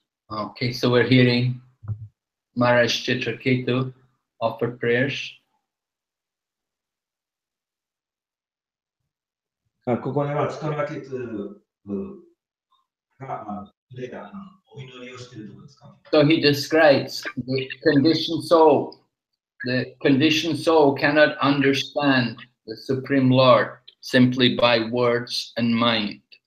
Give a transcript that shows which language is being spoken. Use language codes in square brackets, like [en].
[en] Okay, so we're hearing Maharaj Chitraketu offer prayers. [ja] ここではチトラケトが触れたお祈りをしているところですか? [en] So he describes the conditioned soul. The conditioned soul cannot understand the Supreme Lord simply by words and mind.